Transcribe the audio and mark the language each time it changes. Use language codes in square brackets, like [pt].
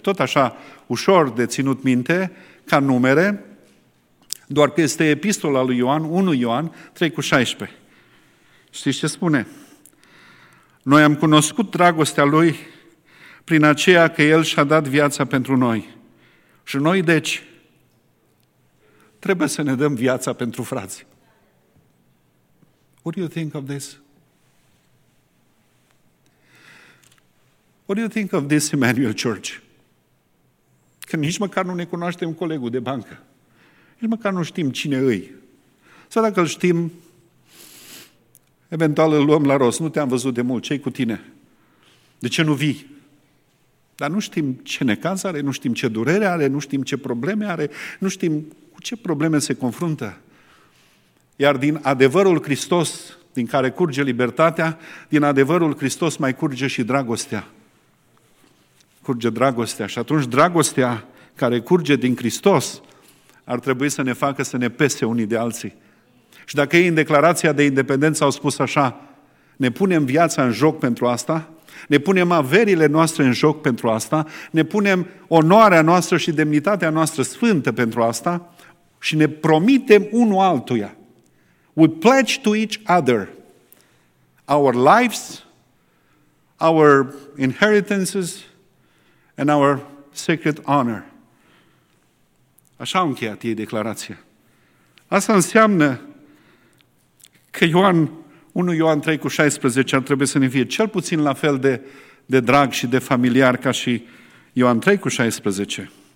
[ro] Tot așa, ușor de ținut minte, ca numere, doar că este epistola lui Ioan, 1 Ioan 3:16. Știți ce spune? Noi am cunoscut dragostea Lui prin aceea că El și-a dat viața pentru noi. Și noi, deci, trebuie să ne dăm viața pentru frați. [en] What do you think of this? What do you think of this, Emmanuel Church? [ro] Că nici măcar nu ne cunoaștem colegul de bancă. Nici măcar nu știm cine îi. Sau dacă îl știm, eventual îl luăm la rost. Nu te-am văzut de mult. Ce-i cu tine? De ce nu vii? Dar nu știm ce necaz are, nu știm ce durere are, nu știm ce probleme are, nu știm cu ce probleme se confruntă. Iar din adevărul Hristos, din care curge libertatea, din adevărul Hristos mai curge și dragostea. Curge dragostea. Și atunci dragostea care curge din Hristos ar trebui să ne facă să ne pese unii de alții. Și dacă ei în declarația de independență au spus așa, ne punem viața în joc pentru asta, Ne punem averile noastre în joc pentru asta, ne punem onoarea noastră și demnitatea noastră sfântă pentru asta și ne promitem unul altuia. [en] We pledge to each other our lives, our inheritances and our sacred honor. [ro] Așa au încheiat ei declarația. Asta înseamnă că Ioan 1 Ioan 3:16 ar trebui să ne fie cel puțin la fel de drag și de familiar ca și Ioan 3:16.